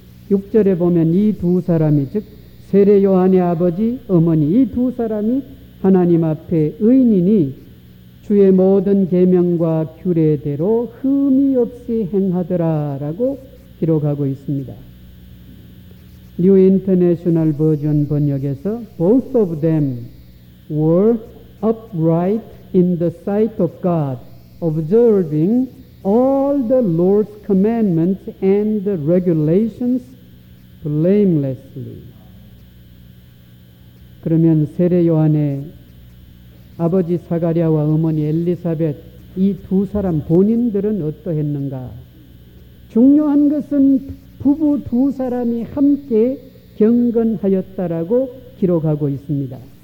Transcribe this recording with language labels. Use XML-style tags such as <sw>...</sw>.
<ko>6절에 보면 이 두 사람이 즉 세례 요한의 아버지, 어머니 이 두 사람이 하나님 앞에 의인이니 주의 모든 계명과 규례대로 흠이 없이 행하더라라고 기록하고 있습니다.</ko> <en>New International Version 번역에서 Both of them were upright in the sight of God, observing all the Lord's commandments and the regulations blamelessly.</en> <ko>그러면 세례 요한의 아버지 사가랴와 어머니 엘리사벳 이 두 사람 본인들은 어떠했는가? 중요한 것은 부부 두 사람이 함께 경건하였다라고 기록하고 있습니다.</ko>